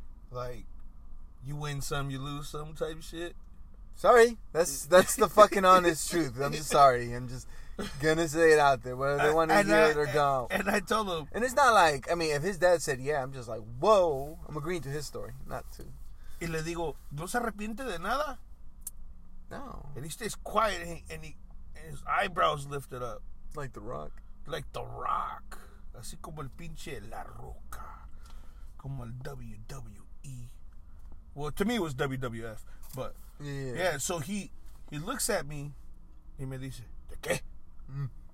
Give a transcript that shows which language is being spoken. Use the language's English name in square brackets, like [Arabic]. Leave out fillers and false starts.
[English] Like, you win some, you lose some type shit. Sorry. That's the fucking honest truth. I'm just sorry. I'm just gonna say it out there. Whether they want to hear it or don't. And I told him. And it's not like, I mean, if his dad said, yeah, I'm just like, whoa. I'm agreeing to his story. Not to. [Spanish] Y le digo, ¿no se arrepiente de nada? No. [English] And he stays quiet and his eyebrows lifted up. Like the Rock. Like the Rock. [Spanish] Así como el pinche La Roca. Como el WWE. [English] Well, to me it was WWF, but yeah. Yeah, so he looks at me [Spanish] y me dice, ¿de qué? [English] Mm.